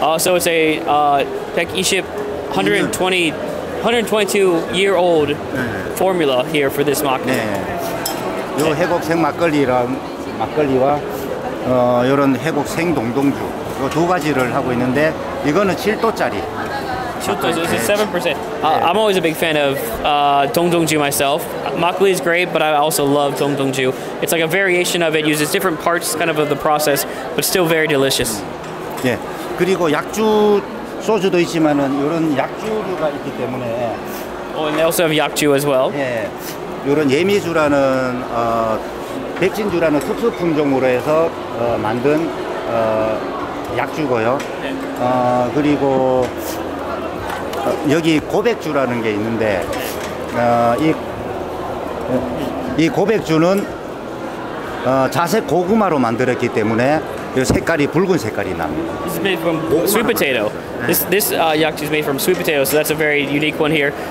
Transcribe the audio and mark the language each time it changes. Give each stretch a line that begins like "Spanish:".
English: So it's a 122-year-old formula here for this makgeolli.
Korean: 네. 요 회곡 생 막걸리랑 막걸리와 이런 회곡 생 동동주 요 두 가지를 하고 있는데 이거는 7도짜리.
English: 7% I'm always a big fan of Dongdongju myself. Makgeolli is great, but I also love Dongdongju. It's like a variation of it, uses different parts kind of the process, but still very delicious.
Korean: 예. 그리고 약주 소주도 있지만은 이런 약주류가 있기 때문에
English: Oh, and they also have yakju as well.
Korean: 예. 이런 예미주라는 백진주라는 특수 품종으로 해서 만든 약주고요. 그리고 여기 고백주라는 게 있는데 이 고백주는 자색 고구마로 만들었기 때문에 색깔이 붉은 색깔이 납니다.
English: This is made from sweet potato. This yakju is made from sweet potato, so that's a very unique one here.